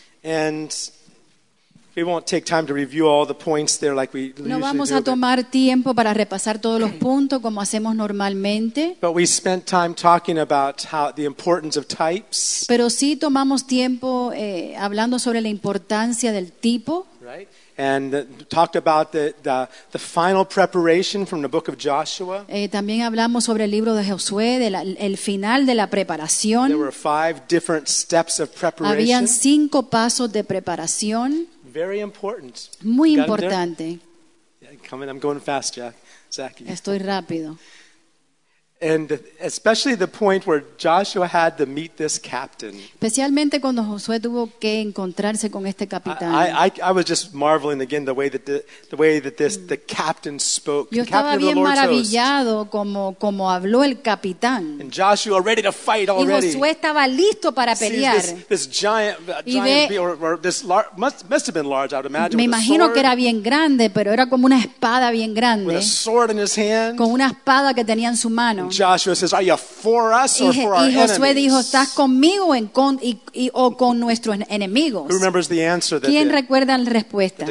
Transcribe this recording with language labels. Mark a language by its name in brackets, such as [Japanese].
[English] And we won't take time to review all the points there like we usually do. [Spanish] No vamos a tomar tiempo para repasar todos los puntos como hacemos normalmente. [English] But we spent time talking about how the importance of types. [Spanish] Pero sí tomamos tiempo hablando sobre la importancia del tipo. [English] Right. And talked about the final preparation from the book of Joshua. [Spanish] También hablamos sobre el libro de Josué, el final de la preparación. [English] There were five different steps of preparation. [Spanish] Habían cinco pasos de preparación. [English] Very important. [Spanish] Muy importante. [English] Yeah, coming, I'm going fast, Jack. Zachy. [Spanish] Estoy rápido. [English] And especially the point where Joshua had to meet this captain. [Spanish] Especialmente cuando Josué tuvo que encontrarse con este capitán. [English] I was just marveling again the way that the captain spoke. [Spanish] Yo estaba bien maravillado como habló el capitán. [English] And Joshua ready to fight already. [Spanish] Y Josué estaba listo para pelear. [English] See, this giant must have been large, I would imagine. [Spanish] Me imagino que era bien grande, pero era como una espada bien grande. [English] With a sword in his hand. [Spanish] Con una espada que tenía en su mano. [English] And Joshua says, "Are you for us or for our enemies?" [Spanish] Y Josué dijo, "¿Estás conmigo o con nuestros enemigos?" [English] Who remembers the answer? [Spanish] ¿Quién recuerda la respuesta?